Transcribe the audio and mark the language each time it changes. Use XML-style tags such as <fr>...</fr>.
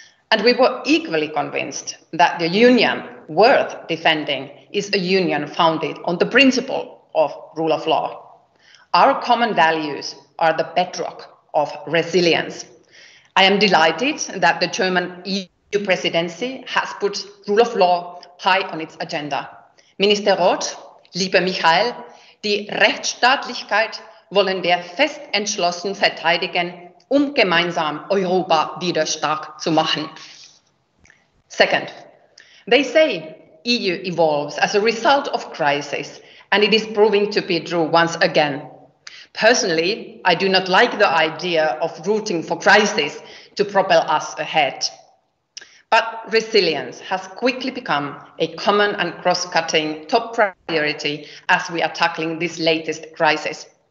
<en>And we were equally convinced that the union worth defending is a union founded on the principle of rule of law. Our common values are the bedrock of resilience. I am delighted that the German EU presidency has put rule of law high on its agenda.</en> <de>Minister Roth, lieber Michael, die Rechtsstaatlichkeit wollen wir fest entschlossen verteidigen, gemeinsam Europa wieder stark zu machen.</de> <en>Second, they say EU evolves as a result of crisis, and it is proving to be true once again. Personally, I do not like the idea of rooting for crisis to propel us ahead. But resilience has quickly become a common and cross-cutting top priority as we are tackling this latest crisis.</en>